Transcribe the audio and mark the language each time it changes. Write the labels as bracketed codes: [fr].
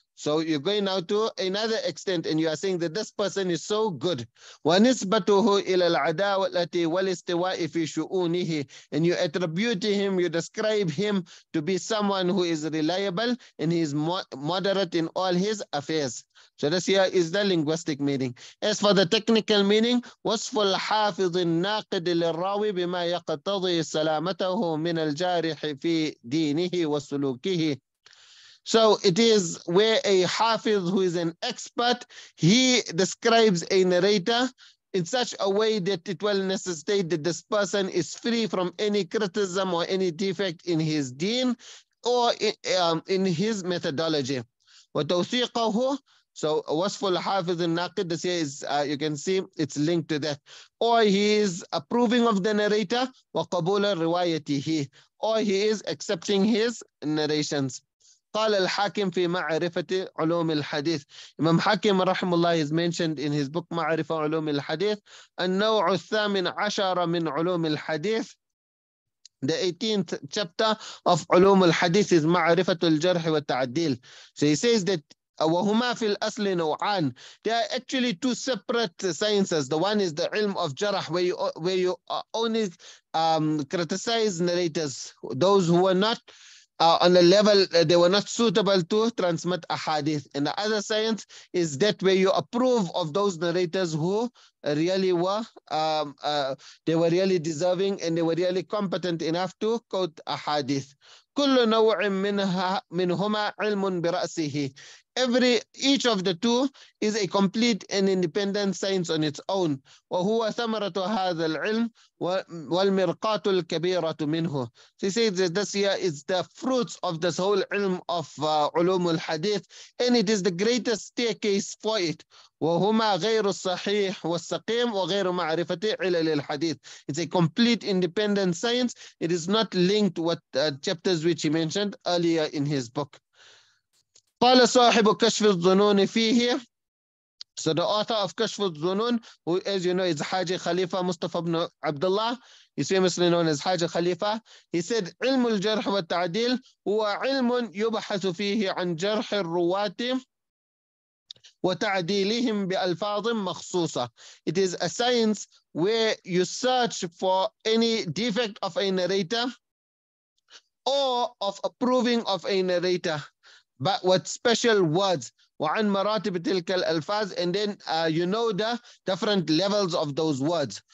[en] So you're going now to another extent and you are saying that this person is so good. [ar] وَنِسْبَتُهُ إِلَى الْعَدَاءِ الَّتِي وَالِاسْتِوَاءِ فِي شُؤُونِهِ. [en] And you attribute him, you describe him to be someone who is reliable and he is moderate in all his affairs. So this here is the linguistic meaning. As for the technical meaning, [ar] وَصْفُ الْحَافِظِ النَّاقِدِ لِلْرَّاوِي بِمَا يَقْتَضِي سَلَامَتَهُ مِنَ الْجَارِحِ فِي دِينِهِ وَسُلُوكِهِ. [en] So it is where a hafiz who is an expert, he describes a narrator in such a way that it will necessitate that this person is free from any criticism or any defect in his deen or in his methodology. [ar] وَتَوْثِيقَهُ. [en] So wasful hafiz and naqid, this here is, you can see it's linked to that. Or he is approving of the narrator, [ar] وَقَبُولَ riwayatihi. [en] Or he is accepting his narrations. [ar] قال الحاكم في معرفة علوم الحديث. Imam Hakim رحمه الله [en] has mentioned in his book [ar] معرفة علوم الحديث النوع الثامن عشر من علوم الحديث. [en] The 18th chapter of علوم الحديث is [ar] معرفة الجرح والتعديل. [en] So he says that [ar] وهما في الأصل نوعان. [en] They are actually two separate sciences. The one is the علم of جرح, where you only criticize narrators, those who are not on a level, they were not suitable to transmit a hadith. And the other science is that where you approve of those narrators who really were, they were really deserving and they were really competent enough to quote a hadith. [ar] كل نوع منهما علم برأسه. [en] Each of the two is a complete and independent science on its own. [ar] وهو ثمرة هذا العلم والمرقاة الكبيرة منه. [en] So he says that this here is the fruits of this whole ilm of علوم الحديث, and it is the greatest staircase for it. [ar] وهما غير الصحيح والسقيم وغير معرفة علل الحديث. [en] It's a complete independent science. It is not linked with chapters which he mentioned earlier in his book. [ar] قال صاحب كشف الظنون فيه. [en] So the author of [ar] كشف الظنون, [en] who as you know is [ar] حاجي خليفة مصطفى بن عبد الله, [en] he's famously known as [ar] حاجي خليفة, [en] he said [ar] علم الجرح والتعديل هو علم يبحث فيه عن جرح الرواة وتعديلهم بألفاظ مخصوصة. [en] It is a science where you search for any defect of a narrator or of approving of a narrator, but with special words. [ar] وعن مراتب تلك الألفاظ, [en] and then you know the different levels of those words.